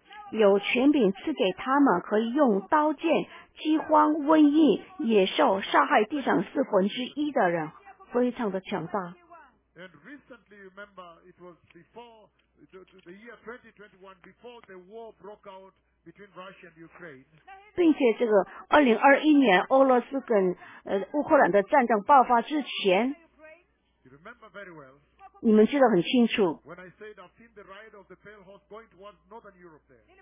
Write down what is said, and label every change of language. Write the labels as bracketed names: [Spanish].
[Chinese] 有权柄赐给他们，可以用刀剑、饥荒、瘟疫、野兽杀害地上四分之一的人，非常的强大。 [English] And recently, remember, it was before the year 2021, before the war broke out between Russia and Ukraine. [Chinese] 并且这个2021年俄罗斯跟乌克兰的战争爆发之前。 [English] You remember very well. [Chinese] 你们记得很清楚。 [English] When I said I've seen the rider of the pale horse going towards Northern Europe there.